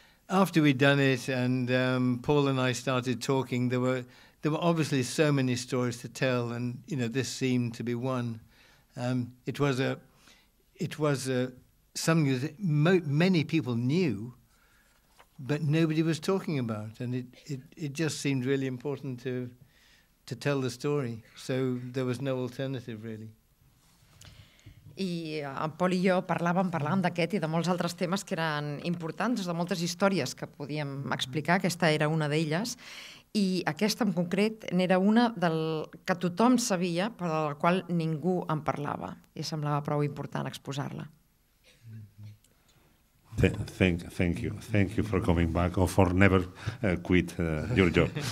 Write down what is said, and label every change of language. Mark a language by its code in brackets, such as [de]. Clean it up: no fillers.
[en] After we'd done it and Paul and I started talking, there were obviously so many stories to tell, and you know, this seemed to be one. It was something that many people knew, but nobody was talking about, and it just seemed really important to tell the story. So there was no alternative, really. [ca] I en Pol i jo parlàvem d'aquest i de molts altres temes que eren importants, de moltes històries que podíem explicar, aquesta era una d'elles, i aquesta en concret n'era una que tothom sabia però de la qual ningú en parlava, i semblava prou important exposar-la. [en] Thank you for coming back, or for never quit your job.